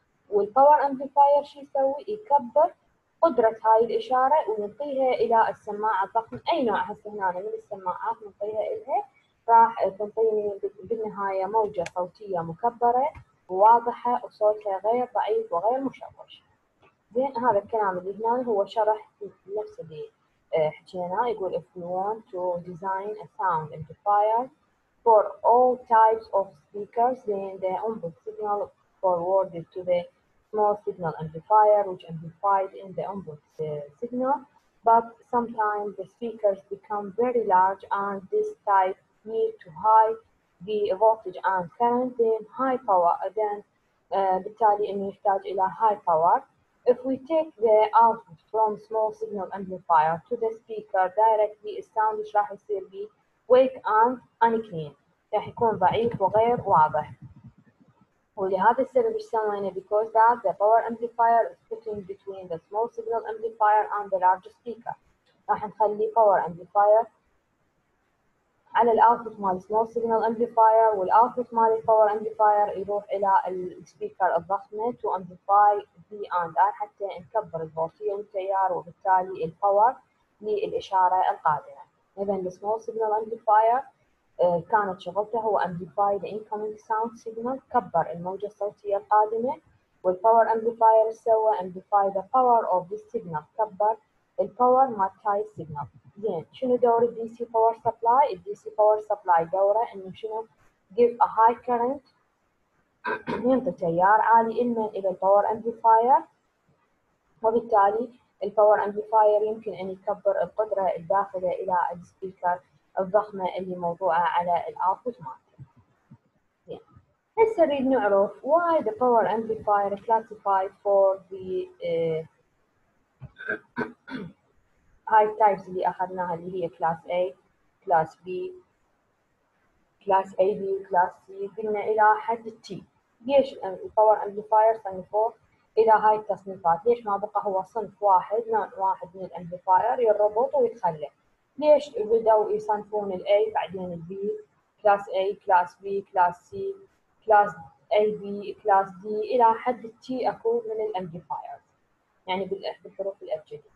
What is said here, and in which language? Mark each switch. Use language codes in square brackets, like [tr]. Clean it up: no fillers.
[ar] والباور امبليفاير شو يسوي؟ يكبر قدره هاي الاشاره ونطيها الى السماعه الضخمه. اي نوع هسه هنا من السماعات نطيها الها راح تنطيني بالنهايه موجه صوتيه مكبره وواضحه وصوتها غير ضعيف وغير مشوش. زين هذا الكلام اللي هنا هو شرح نفس اللي حكيناه. يقول [en] if you want to design a sound amplifier for all types of speakers then the input signal forwarded to the small signal amplifier which amplified in the input signal but sometimes the speakers become very large and this type need to high the voltage and current then high power then [ar] بالتالي انه يحتاج الى [en] high power. If we take the output from small signal amplifier to the speaker directly, the sound is [ar] راح يصير بي [en] weak and unclean. [ar] راح يكون ضعيف وغير واضح. ولهذا السبب ايش سوينا؟ [en] Because that the power amplifier is putting between the small signal amplifier and the large speaker. [ar] راح نخلي power amplifier على الاوتبوت مال سمول سيجنال امبليفاير والاوتبوت مال الباور امبليفاير يروح الى السبيكر الضخمه [en] to amplify B and R [ar] حتى نكبر الفولتيه والتيار وبالتالي الباور للاشاره القادمه. اذا السمول سيجنال امبليفاير كانت شغلته هو [en] amplify the incoming sound signal [ar] كبر الموجه الصوتيه القادمه. والباور امبليفاير سوى [en] amplify the power of the signal [ar] كبر الباور مال تاي سيجنال. زين شنو دور الدي سي باور سبلاي؟ الدي سي باور سبلاي دوره انه شنو؟ [en] give a high current [ar] ينطي تيار عالي الى الباور امبليفاير وبالتالي الباور امبليفاير يمكن ان يكبر القدره الداخله الى السبيكر الضخمه اللي موضوعه على الاوتبوت مال. هسه نريد نعرف [en] why the power amplifier classified for the high types [ar] اللي اخذناها اللي هي class A, class B, class AB, class C قلنا الى حد T. ليش الباور امبليفاير صنفوه الى هاي التصنيفات؟ ليش ما بقى هو صنف واحد نوع واحد من الامبليفاير يربط ويتخلى؟ ليش بدأوا يصنفون الـ A بعدين الـ B, class A, class B, class C, كلاس A B, كلاس D إلى حد T أكو من الأمبليفايرز يعني بالحروف الأبجدية.